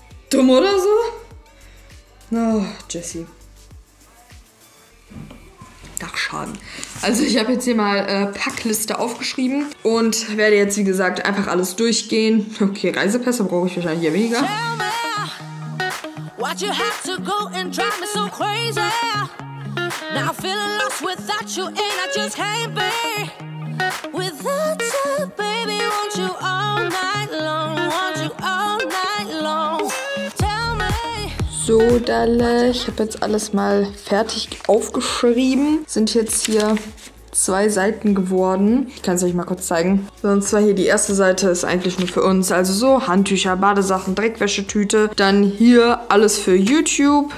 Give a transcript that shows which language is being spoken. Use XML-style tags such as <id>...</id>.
<de>Dumm oder so? Oh, Jessie. Dachschaden. Also ich habe jetzt hier mal Packliste aufgeschrieben und werde jetzt, wie gesagt, einfach alles durchgehen. Okay, Reisepässe brauche ich wahrscheinlich hier weniger.</de> <en>What you have to go and drive me so crazy. Now I'm feeling lost without you and I just can't be. Without you, baby, won't you all night long? Won't you all night long? Tell me.</en> <de>So, Dalle, ich habe jetzt alles mal fertig aufgeschrieben. Sind jetzt hier 2 Seiten geworden. Ich kann es euch mal kurz zeigen. Und zwar hier die erste Seite ist eigentlich nur für uns. Also so Handtücher, Badesachen, Dreckwäschetüte. Dann hier alles für YouTube.</de>